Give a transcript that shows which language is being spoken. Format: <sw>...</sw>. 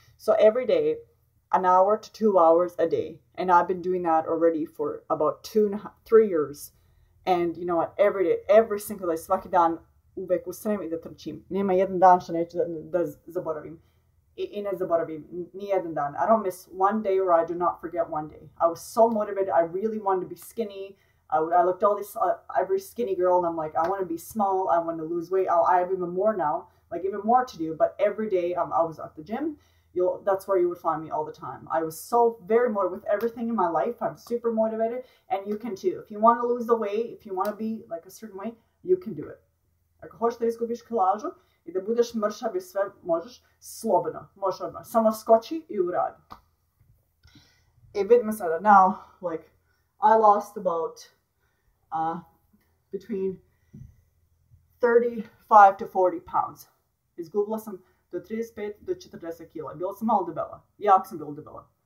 <en>So every day, an hour to 2 hours a day, and I've been doing that already for about 2 and a half, 3 years. And you know what? Every day, every single day,</en> <sr>svaki dan, uvek ustanem i da trčim. Nema jedan dan što neću da zaboravim. I ne zaboravim, ni jedan dan.</sr> <en>I don't miss one day, or I do not forget one day. I was so motivated. I really wanted to be skinny. I looked all this every skinny girl, and I'm like, I want to be small. I want to lose weight. I have even more now, like even more to do. But every day, I was at the gym. That's where you would find me all the time. I was so very motivated with everything in my life. I'm super motivated, and you can too. If you want to lose the weight, if you want to be like a certain way, you can do it.</en> <sr>Ako hoćeš da izgubiš kilažu i da budeš mršav i sve, možeš slobodno, možeš odmah. Samo skoči i uradi. I vidimo sada.</sr> <en>Now, like, I lost about between 35 to 40 pounds.</en> <sr>Izgubila sam do 35 do 40 kila. Bila sam malo debela. Jako sam bila debela.</sr>